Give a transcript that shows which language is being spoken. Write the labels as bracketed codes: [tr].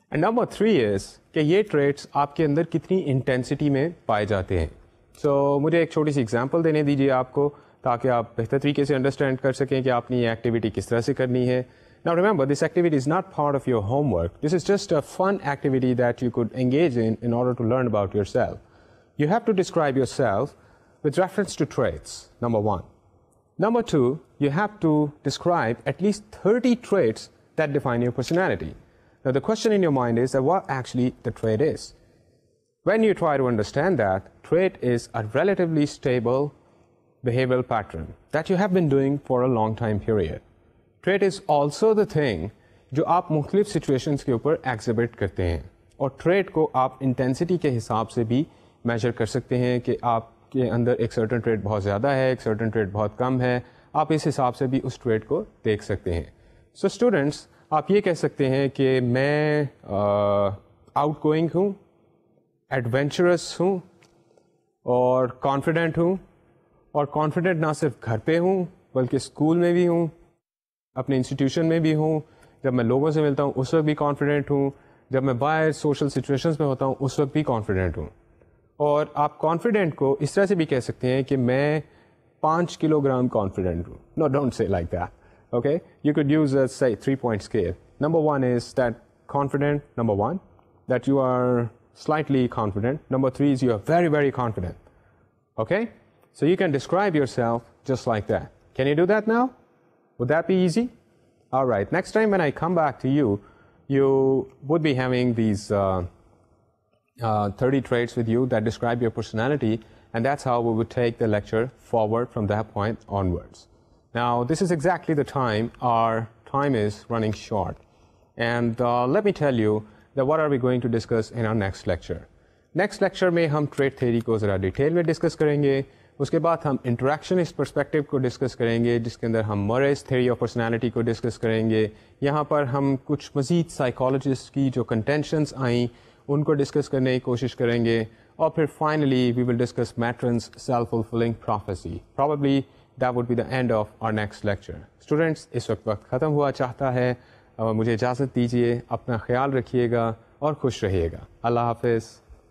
[en] and number three is [ur] کہ یہ traits آپ کے اندر کتنی انٹینسٹی میں پائے جاتے ہیں. سو مجھے ایک چھوٹی سی ایگزامپل دینے دیجیے آپ کو تاکہ آپ بہتر طریقے سے انڈرسٹینڈ کر سکیں کہ آپ نے یہ ایکٹیویٹی کس طرح سے کرنی ہے. [en] Now remember, this activity is not part of your homework. This is just a fun activity that you could engage in order to learn about yourself. You have to describe yourself with reference to traits, number one. Number two, you have to describe at least 30 traits that define your personality. Now the question in your mind is that what actually the trait is. When you try to understand that, trait is a relatively stable behavioral pattern that you have been doing for a long time period. Trait is also the thing [ur] جو آپ مختلف situations کے اوپر exhibit کرتے ہیں, اور treat کو آپ انٹینسٹی کے حساب سے بھی میجر کر سکتے ہیں کہ آپ کے اندر ایک سرٹن ٹریٹ بہت زیادہ ہے, ایک سرٹن ٹریٹ بہت کم ہے, آپ اس حساب سے بھی اس ٹریٹ کو دیکھ سکتے ہیں. سو اسٹوڈنٹس, آپ یہ کہہ سکتے ہیں کہ میں آؤٹ گوئنگ ہوں, ایڈونچرس ہوں اور کانفیڈنٹ ہوں, اور کانفیڈنٹ نہ صرف گھر پہ ہوں بلکہ اسکول میں بھی ہوں, اپنے انسٹیٹیوشن میں بھی ہوں, جب میں لوگوں سے ملتا ہوں اس وقت بھی کانفیڈنٹ ہوں, جب میں باہر سوشل سچویشنس میں ہوتا ہوں اس وقت بھی کانفیڈنٹ ہوں. اور آپ کانفیڈنٹ کو اس طرح سے بھی کہہ سکتے ہیں کہ میں [en] 5 kilograms [ur] کانفیڈنٹ ہوں. [en] No don't say like that, okay, you could use a say 3-point scale. Number one is that confident, number one that you are slightly confident, number three is you are very very confident. Okay, so you can describe yourself just like that. Can you do that now? Would that be easy? All right, next time when I come back to you, you would be having these 30 traits with you that describe your personality, and that's how we would take the lecture forward from that point onwards. Now, this is exactly the time our time is running short. And let me tell you that what are we going to discuss in our next lecture. Next lecture [ur] mein hum trait theory ko zara detail mein discuss karenge. اس کے بعد ہم interactionist perspective کو discuss کریں گے, جس کے اندر ہم مرز theory of personality کو ڈسکس کریں گے. یہاں پر ہم کچھ مزید سائیکالوجسٹ کی جو کنٹینشنز آئیں ان کو ڈسکس کرنے کی کوشش کریں گے, اور پھر [en] Finally we will discuss Merton's self fulfilling prophecy. Probably that would be the end of our next lecture. [ur] Students, اس وقت ختم ہوا چاہتا ہے, مجھے اجازت دیجیے, اپنا خیال رکھیے گا اور خوش رہیے گا. اللہ حافظ.